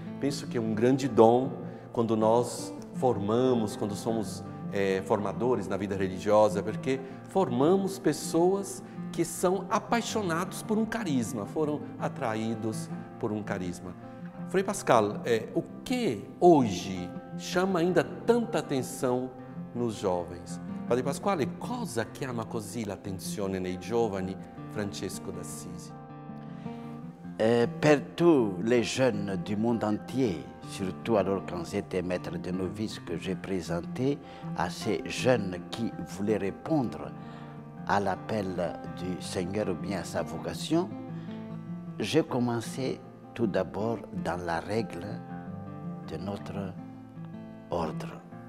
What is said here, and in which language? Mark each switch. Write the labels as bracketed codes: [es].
[pt] Penso que é um grande dom quando nós formamos, quando somos formadores na vida religiosa, porque formamos pessoas que são apaixonados por um carisma, foram atraídos por um carisma. Frei Pascal, o que hoje chama ainda tanta atenção nos jovens? [it] Padre Pasquale, cosa chiama così l'attenzione nei giovani Francesco d'Assisi? [fr] Per tous les jeunes du monde entier, surtout alors quand j'étais maître de novice que j'ai présenté à ces jeunes qui voulaient répondre à l'appel du Seigneur ou bien à sa vocation, j'ai commencé tout d'abord dans la règle de notre ordre.